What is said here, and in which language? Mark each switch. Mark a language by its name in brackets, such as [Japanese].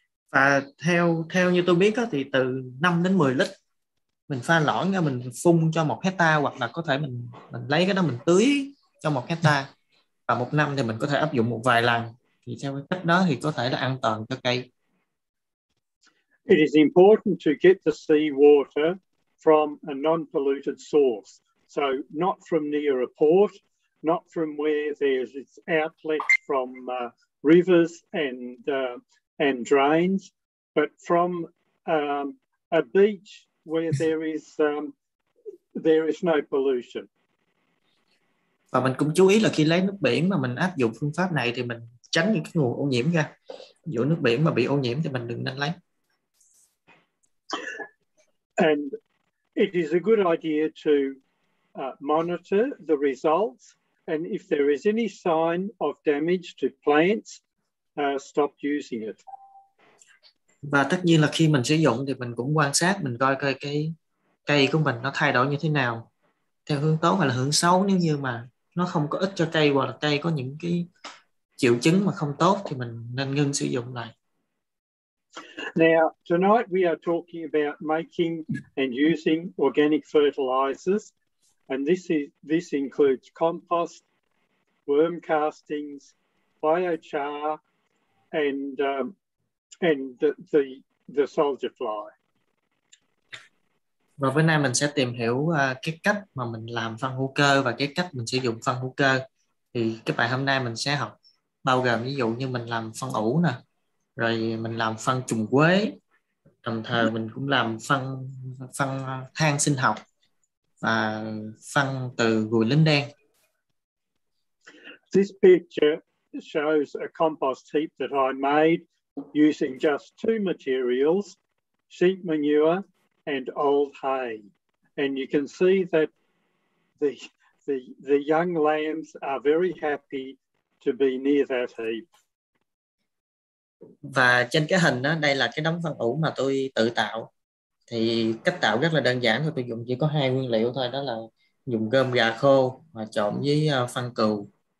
[Vietnamese] Và theo như tôi biết đó, thì từ 5 đến 10 lít mình pha lỏng ra, mình phun cho một hectare, hoặc là có thể mình lấy cái đó mình tưới cho một hectare, và một năm thì mình có thể áp dụng một vài lần, thì theo cái cách đó thì có thể là an toàn cho cây. [English] It is important to get the seawater from a non-polluted source, so not from near a port, not from where there's its outlet from rivers and drains, but from a beach where there is no pollution. [Vietnamese] Và mình cũng chú ý là khi lấy nước biển mà mình áp dụng phương pháp này thì mình tránh những cái nguồn ô nhiễm ra. Dù nước biển mà bị ô nhiễm thì mình đừng nên lấy. [English] And it is a good idea to monitor the results, and if there is any sign of damage to plants, stop using it. [Vietnamese] Và tất nhiên là khi mình sử dụng thì mình cũng quan sát, mình coi coi cái cây của mình nó thay đổi như thế nào, theo hướng tốt hay là hướng xấu. Nếu như mà nó không có ích cho cây, hoặc là cây có những cái triệu chứng mà không tốt, thì mình nên ngưng sử dụng lại. [English] Now, tonight we are talking about making and using organic fertilizers, and this includes compost, worm castings, biochar, and the soldier fly. [Vietnamese] Và bữa nay mình sẽ tìm hiểu cái cách mà mình làm phân hữu cơ và cái cách mình sử dụng phân hữu cơ. Thì cái bài hôm nay mình sẽ học bao gồm ví dụ như mình làm phân ủ nè, rồi mình làm phân trùng quế, đồng thời mình cũng làm phân than sinh học và phân từ ruồi lính đen. [English] This picture shows a compost heap that I made using just two materials, sheep manure and old hay. And you can see that the young lambs are very happy to be near that heap. [Vietnamese] Và trên cái hình đó, đây là cái đống phân ủ mà tôi tự tạo. Thì cách tạo rất là đơn giản thôi, tôi dùng chỉ có hai nguyên liệu thôi, đó là dùng cơm gà khô và trộn với phân cừu.